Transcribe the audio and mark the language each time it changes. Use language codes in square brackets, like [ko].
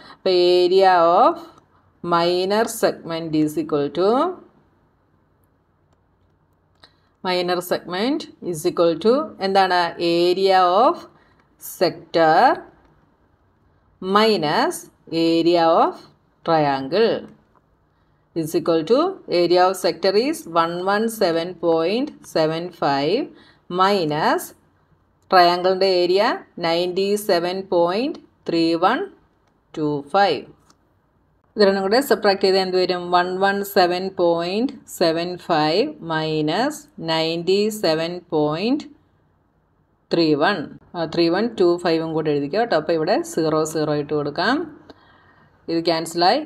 [en] അപ്പോൾ area of minor segment is equal to, minor segment is equal to എന്താണ്, area of sector minus area of triangle is equal to area of sector is 117.75 minus triangle area 97.3125. [ml] ഇതിനെ കൂടെ subtract ചെയ്താൽ എന്ത് വരും? 117.75 minus 97.3125 കൂടെ എഴുതിക്കാം കേട്ടോ. അപ്പോൾ ഇവിടെ 0 0 ഇട്ട് കൊടുക്കാം. ഇത് ക്യാൻസലായി.